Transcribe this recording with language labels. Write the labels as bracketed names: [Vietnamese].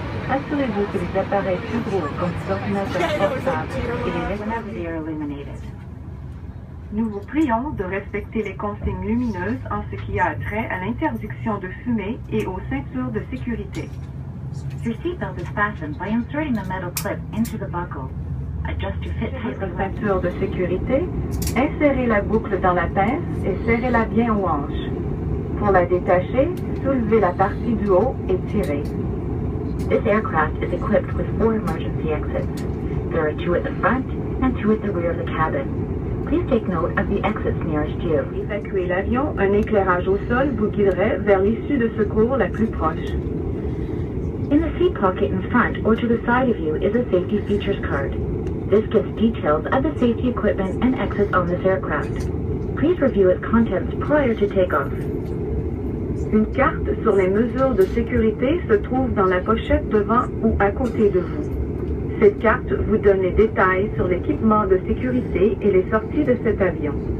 [French] Assurez-vous que les appareils plus gros comme les ordinateurs portables et les laptops. Nous vous prions de respecter les consignes lumineuses en ce qui a trait à l'interdiction de fumer et aux ceintures de sécurité. [English] Your seatbelt is fastened by inserting the metal clip into the buckle. Adjust your fit tightly. [French] Votre ceinture de sécurité, insérez la boucle dans la pince et serrez-la bien aux hanches. Pour la détacher, soulevez la partie du haut et tirez. [English] This aircraft is equipped with four emergency exits. There are two at the front and two at the rear of the cabin. Please take note of the exits nearest you. [French] Évacuez l'avion, un éclairage au sol vous guiderait vers l'issue de secours la plus proche. [English] In the seat pocket in front or to the side of you is a safety features card. This gives details of the safety equipment and exits on this aircraft. Please review its contents prior to takeoff. [French] Une carte sur les mesures de sécurité se trouve dans la pochette devant ou à côté de vous. Cette carte vous donne les détails sur l'équipement de sécurité et les sorties de cet avion.